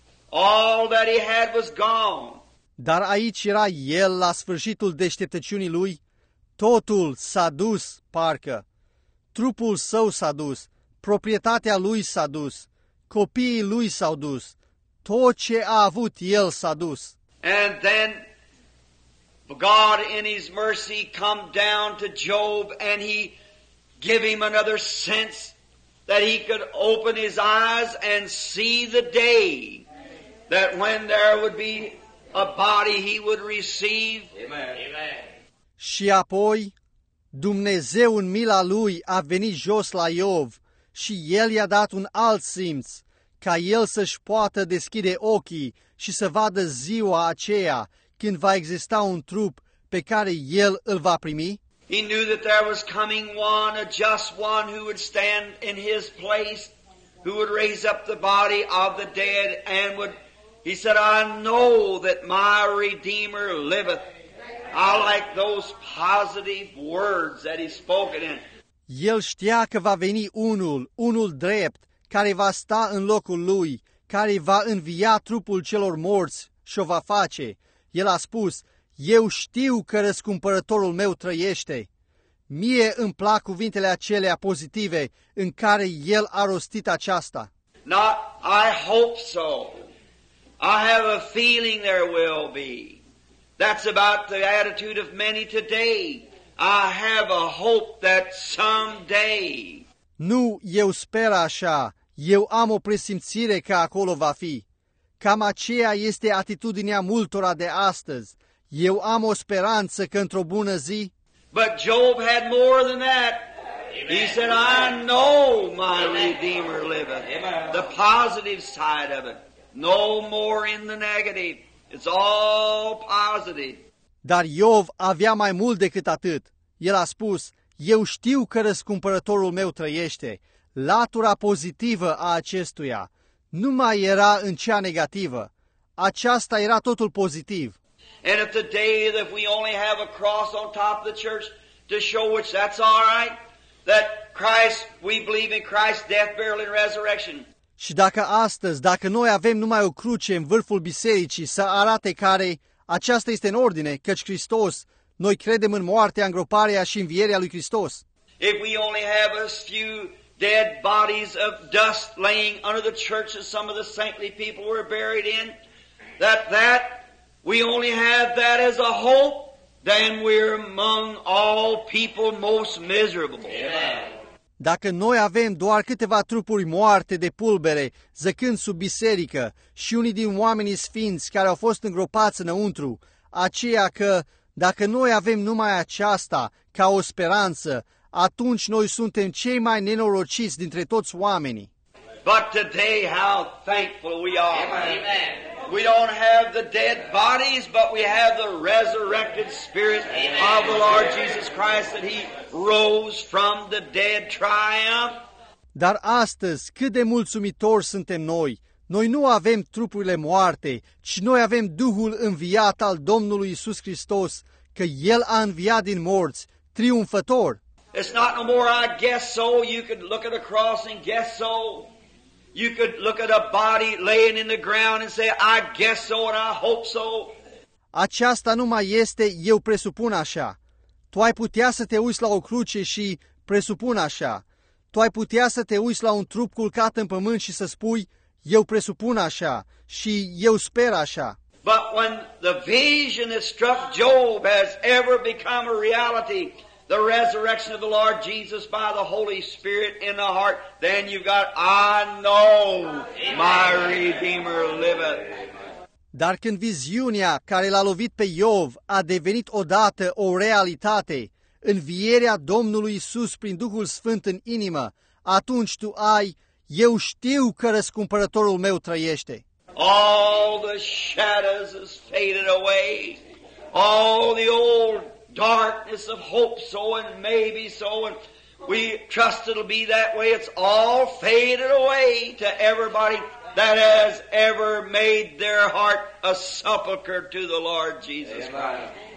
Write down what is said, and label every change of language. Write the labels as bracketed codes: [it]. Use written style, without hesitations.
[en] All that he had was gone. [ro] Dar aici era el la sfârșitul deșteptăciunii lui. Totul s-a dus, parcă. Trupul său s-a dus, proprietatea lui s-a dus, copiii lui s-au dus, tot ce a avut el s-a dus. [en] And then God in his mercy come down to Job and he give him another sense that he could open his eyes and see the day that when there would be a body he would receive. Amen. Amen. [ro] Și apoi, Dumnezeu în mila lui a venit jos la Iov și el i-a dat un alt simț, ca el să-și poată deschide ochii și să vadă ziua aceea când va exista un trup pe care el îl va primi. [en] He knew that there was coming one, a just one, who would stand in his place, who would raise up the body of the dead and would, he said, I know that my Redeemer liveth. I like those positive words that he spoke in. [ro] El știa că va veni unul drept, care va sta în locul lui, care va învia trupul celor morți și o va face. El a spus, eu știu că răscumpărătorul meu trăiește. Mie îmi plac cuvintele acelea pozitive în care el a rostit aceasta. [en] Not, I hope so. I have a feeling there will be. That's about the attitude of many today. I have a hope that someday. [ro] Nu, eu sper așa. Eu am o presimțire că acolo va fi. Cam aceea este atitudinea multora de astăzi. Eu am o speranță că într-o bună zi. [en] But Job had more than that. Amen. He said, I know my Redeemer liveth. Amen. The positive side of it. No more in the negative. It's all positive. [ro] Dar Iov avea mai mult decât atât. El a spus, eu știu că răscumpărătorul meu trăiește. Latura pozitivă a acestuia nu mai era în cea negativă. Aceasta era totul pozitiv. [en] And if today that we only have a cross on top of the church to show which that's all right, that Christ, we believe in Christ's death, burial and resurrection. [ro] Și dacă astăzi, dacă noi avem numai o cruce în vârful bisericii să arate care aceasta este în ordine, căci Hristos, noi credem în moartea, îngroparea și învierea lui Hristos. [en] If we only have a few dead bodies of dust laying under the church that some of the saintly people were buried in, that we only have that as a hope, then we're among all people most miserable. Yeah. [ro] Dacă noi avem doar câteva trupuri moarte de pulbere zăcând sub biserică și unii din oamenii sfinți care au fost îngropați înăuntru, aceea că dacă noi avem numai aceasta ca o speranță, atunci noi suntem cei mai nenorociți dintre toți oamenii. [en] But today how thankful we are. Amen. We don't have the dead bodies, but we have the resurrected spirit. Amen. Of the Lord Jesus Christ, that he rose from the dead triumph. [ro] Dar astăzi, cât de mulțumitori suntem noi. Noi nu avem trupurile moarte, ci noi avem Duhul înviat al Domnului Iisus Hristos, că El a înviat din morți, triumfător. [en] It's not no more I guess so. You could look at a cross and guess so. You could look at a body laying in the ground and say, I guess so and I hope so. [ro] Aceasta nu mai este, eu presupun așa. Tu ai putea să te uiți la o cruce și presupun așa. Tu ai putea să te uiți la un trup culcat în pământ și să spui, eu presupun așa și eu sper așa. [en] But when the vision that struck Job has ever become a reality, the resurrection of the Lord Jesus by the Holy Spirit in the heart, then you've got, I know my Redeemer liveth. [ro] Dar când viziunea care l-a lovit pe Iov a devenit odată o realitate, învierea Domnului Iisus prin Duhul Sfânt în inimă, atunci tu ai, eu știu că răscumpărătorul meu trăiește. [en] All the shadows has faded away. All the old darkness of hope so and maybe so and we trust it'll be that way. It's all faded away to everybody that has ever made their heart a sepulcher to the Lord Jesus Christ.